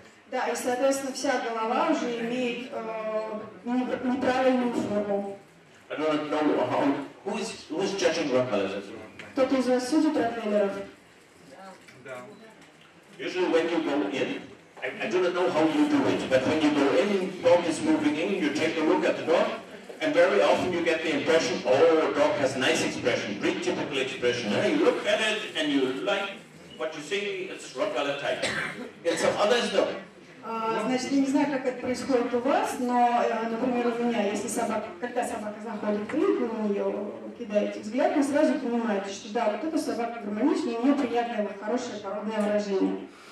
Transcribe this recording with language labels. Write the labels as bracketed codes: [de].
[ru] Да, и, соответственно, вся голова уже имеет неправильную форму. [en] I don't know how, who is judging Rottweilers? [ru] Кто-то из вас судит Ротвейлеров? Да. [en] Usually when you go in, I do not know how you do it, but when you go in, dog is moving in, you take a look at the dog, and very often you get the impression, oh, dog has nice expression, great typical expression, and you look at it, and you like what you see, it's Rottweiler type. And some others though. [ru] Значит, я не знаю, как это происходит у вас, но, например, у меня, если собака, когда собака заходит в клинику, вы на нее кидаете взгляд, вы сразу понимаете, что да, вот эта собака гармоничная, у нее приятное, хорошее породное выражение.